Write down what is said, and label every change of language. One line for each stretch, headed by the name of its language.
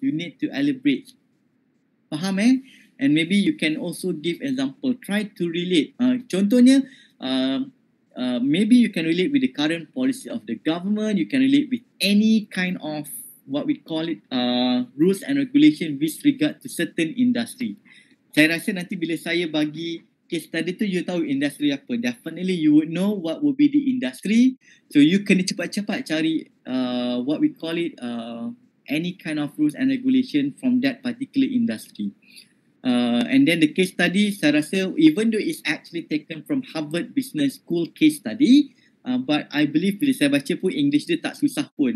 English: You need to elaborate.
Malay: Faham eh?
English: And maybe you can also give example. Try to relate. Contohnya, maybe you can relate with the current policy of the government. You can relate with any kind of what we call it rules and regulation with regard to certain industry.
Malay: Saya rasa nanti bila saya bagi case study tu, you tahu industri apa.
English: Definitely you would know what would be the industry. So you
Malay: kena cepat-cepat cari
English: what we call it any kind of rules and regulation from that particular industry. And then the case study, saya rasa, even though it's actually taken from Harvard Business School case study, but I believe
Malay: bila saya baca pun, English dia tak susah pun.